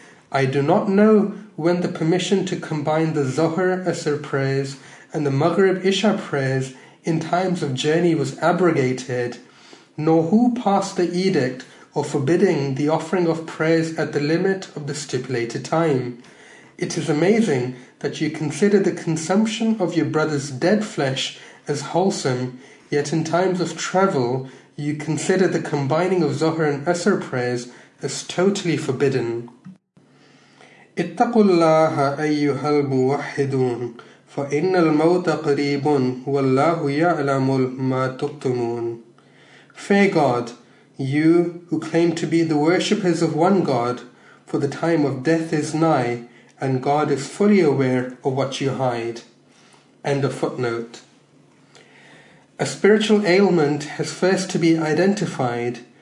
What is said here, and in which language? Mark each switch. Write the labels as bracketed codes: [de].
[en] I do not know when the permission to combine the Zuhr Asr prayers and the Maghrib Isha prayers in times of journey was abrogated, nor who passed the edict of forbidding the offering of prayers at the limit of the stipulated time. It is amazing that you consider the consumption of your brother's dead flesh as wholesome, yet in times of travel you consider the combining of Zuhr and Asr prayers as totally forbidden. [ar] اتقوا الله أيها الموحدون فإن الموت قريب والله يعلم ما تكتمون. [en] Fear God, you who claim to be the worshippers of one God, for the time of death is nigh, and God is fully aware of what you hide. End of footnote. A spiritual ailment has first to be identified.